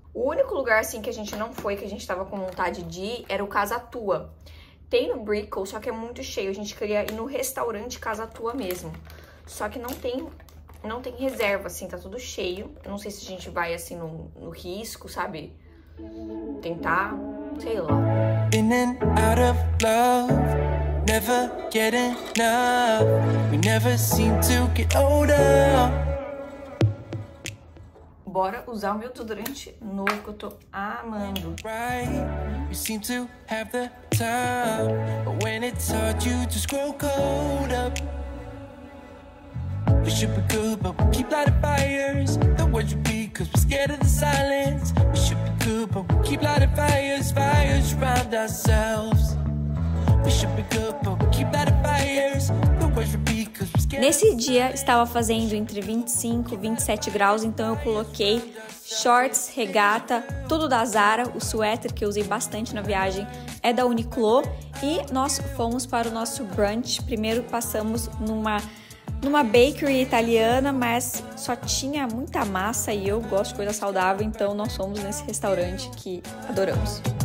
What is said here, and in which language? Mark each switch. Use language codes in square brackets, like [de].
[pt] O único lugar, assim, que a gente não foi, que a gente tava com vontade de ir, era o Casa Tua. Tem no Brickell, só que é muito cheio. A gente queria ir no restaurante Casa Tua mesmo. Só que não tem reserva, assim, tá tudo cheio. Não sei se a gente vai, assim, no risco, sabe? Tentar, sei lá. [en] In and out of love, never getting enough. We never seem to get older. [pt] Bora usar o meu desodorante novo que eu tô amando. [en] You seem to have the time, but when it's hard, you just grow cold up. We should be good, but we keep lighting fires. The words you be, cause we're scared of the silence. We should be good, but we keep lighting fires, fires around ourselves. We should be good, but we keep lighting fires. The words you be, cause we're scared. [pt] Nesse dia estava fazendo entre 25 e 27 graus, então eu coloquei shorts, regata, tudo da Zara. O suéter que eu usei bastante na viagem é da Uniqlo. E nós fomos para o nosso brunch. Primeiro passamos numa bakery italiana, mas só tinha muita massa e eu gosto de coisa saudável, então nós fomos nesse restaurante que adoramos.